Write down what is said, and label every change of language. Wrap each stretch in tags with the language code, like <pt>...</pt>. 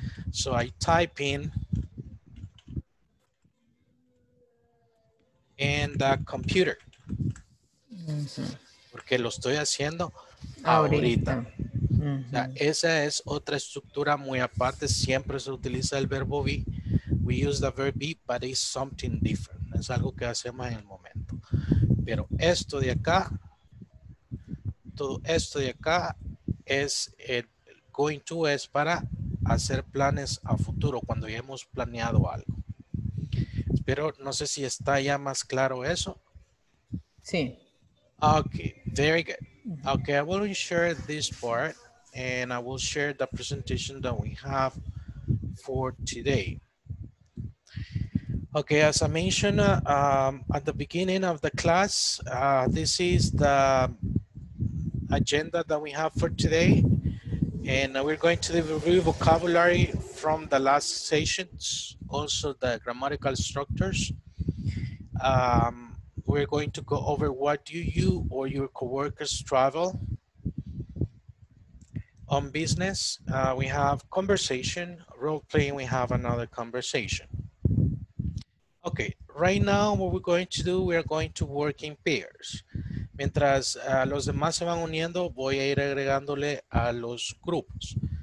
<en>So I type in the computer.</en> <es>Porque lo estoy haciendo ahorita. O sea, esa es otra estructura muy aparte. Siempre se utiliza el verbo be.</es> <en>We use the verb be, but it's something different.</en> <es>Es algo que hacemos en el momento. Pero esto de acá, todo esto de acá es el going to, es para hacer planes a futuro cuando ya hemos planeado algo. Pero no sé si está ya más claro eso. Sí.</es> <en>Ok, very good. Ok, I will share this part and I will share the presentation that we have for today. Okay, as I mentioned at the beginning of the class, this is the agenda that we have for today. And we're going to review vocabulary from the last sessions, also the grammatical structures. We're going to go over what you or your coworkers travel on business. We have conversation, role playing, we have another conversation. Okay, right now what we're going to do, we are going to work in pairs.</en> <es>Mientras los demás se van uniendo, voy a ir agregándole a los grupos.</es>